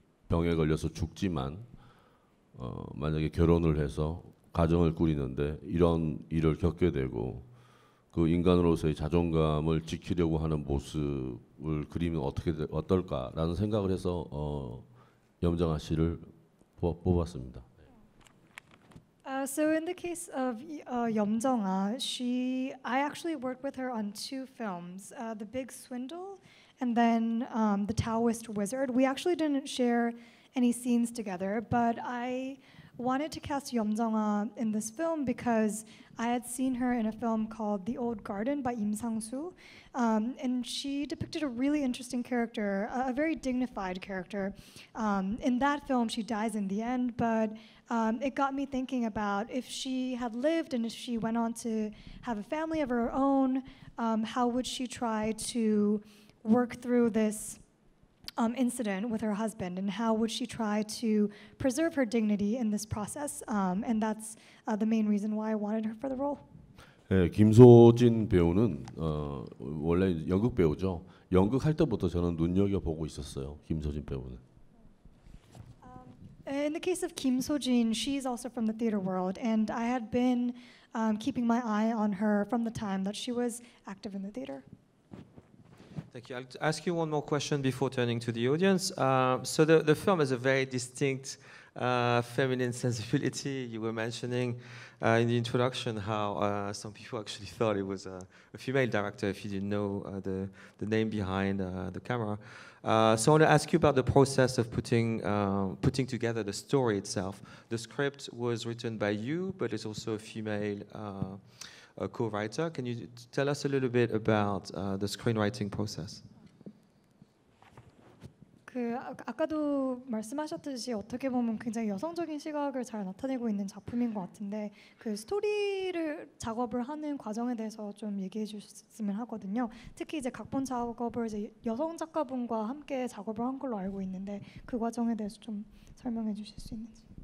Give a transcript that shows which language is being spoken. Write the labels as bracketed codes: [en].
[ko] 병에 걸려서 죽지만 만약에 결혼을 해서 가정을 꾸리는데 이런 일을 겪게 되고 그 인간으로서의 자존감을 지키려고 하는 모습을 그리면 어떨까라는 생각을 해서 염정아 씨를 뽑았습니다. [en] So in the case of Yeomjeong-ha, I actually worked with her on two films, The Big Swindle and then The Taoist Wizard. We actually didn't share any scenes together, but I wanted to cast Yeomjeong-ha in this film because I had seen her in a film called The Old Garden by Im Sang-soo, and she depicted a really interesting character, a very dignified character. In that film, she dies in the end, but it got me thinking about if she had lived and if she went on to have a family of her own, how would she try to work through this incident with her husband, and how would she try to preserve her dignity in this process? And that's the main reason why I wanted her for the role. [ko] 네, 김소진 배우는 원래 연극 배우죠. 연극 할 때부터 저는 눈여겨 보고 있었어요. 김소진 배우는. [en] In the case of Kim So-jin, she's also from the theater world, and I had been keeping my eye on her from the time that she was active in the theater. Thank you. I'll ask you one more question before turning to the audience. So the film has a very distinct feminine sensibility. You were mentioning in the introduction how some people actually thought it was a female director if you didn't know the name behind the camera. So I want to ask you about the process of putting together the story itself. The script was written by you, but it's also a female co-writer. Can you tell us a little bit about the screenwriting process? [ko] 그 아까도 말씀하셨듯이 어떻게 보면 굉장히 여성적인 시각을 잘 나타내고 있는 작품인 것 같은데 그 스토리를 작업을 하는 과정에 대해서 좀 얘기해 주셨으면 하거든요. 특히 이제 각본 작업을 이제 여성 작가분과 함께 작업을 한 걸로 알고 있는데 그 과정에 대해서 좀 설명해 주실 수 있는지.